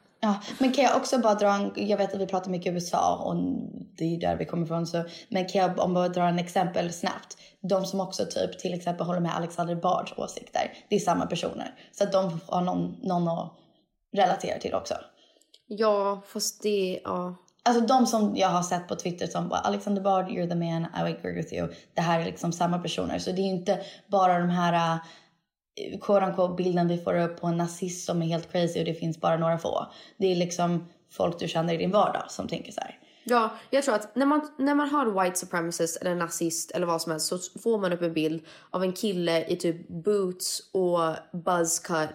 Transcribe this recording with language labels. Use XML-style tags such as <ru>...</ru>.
<sv>Ja, men kan jag också bara dra en... Jag vet att vi pratar mycket USA och det är där vi kommer ifrån. Så, men kan jag bara dra en exempel snabbt? De som också typ till exempel håller med Alexander Bards åsikter. Det är samma personer. Så att de har någon att relatera till också. Ja, fast det... Ja. Alltså de som jag har sett på Twitter som bara Alexander Bard,</sv> <en>you're the man, I agree with you.</en> <sv>Det här är liksom samma personer. Så det är inte bara de här... bilden vi får upp på en nazist som är helt crazy och det finns bara några få. Det är liksom folk du känner i din vardag som tänker så här. Ja, jag tror att när man har white supremacist eller nazist eller vad som helst, så får man upp en bild av en kille i typ boots och buzz cut,</sv>